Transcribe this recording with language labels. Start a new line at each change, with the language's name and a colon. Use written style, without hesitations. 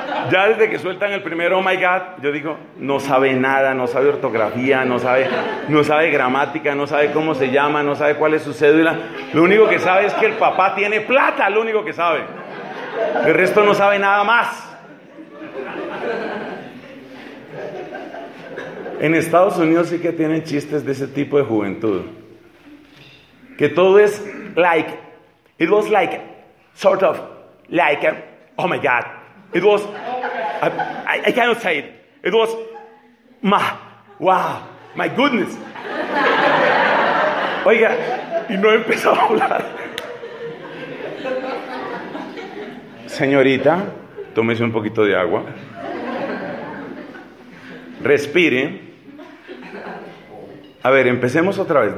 Spanish: Ya desde que sueltan el primer
English: ¡Oh, my God!,
Spanish: yo digo, no sabe nada, no sabe ortografía, no sabe gramática, no sabe cómo se llama, no sabe cuál es su cédula. Lo único que sabe es que el papá tiene plata, lo único que sabe. El resto no sabe nada más. En Estados Unidos sí que tienen chistes de ese tipo de juventud. Que todo es
English: like, it was like, sort of, like, oh my God. It was, I cannot say it. It was, ma, wow, my goodness.
Spanish: Oiga, y no he empezado a hablar. Señorita, tómese un poquito de agua. Respire. A ver, empecemos otra vez.